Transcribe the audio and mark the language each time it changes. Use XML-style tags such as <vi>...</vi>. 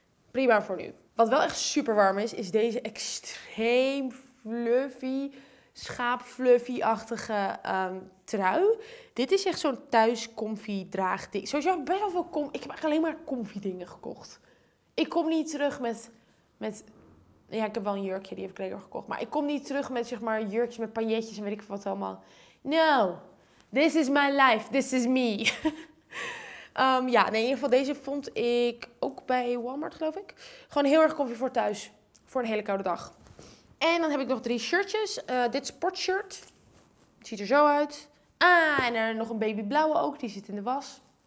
<nl>Prima voor nu. Wat wel echt super warm is, is deze extreem fluffy, schaapfluffy-achtige trui. Dit is echt zo'n thuis comfy draagding. Sowieso best wel veel comfy. Ik heb eigenlijk alleen maar comfy dingen gekocht. ik kom niet terug met... Ja, ik heb wel een jurkje, die heb ik later gekocht. Maar ik kom niet terug met, zeg maar, jurkjes met pailletjes en weet ik wat allemaal.</nl> <en>No, this is my life, this is me.</en> <nl>ja, nee, in ieder geval, deze vond ik ook bij Walmart, geloof ik. Gewoon heel erg comfy voor thuis, voor een hele koude dag. En dan heb ik nog 3 shirtjes. Dit sportshirt, ziet er zo uit. Ah, en er nog een babyblauwe ook, die zit in de was.</nl>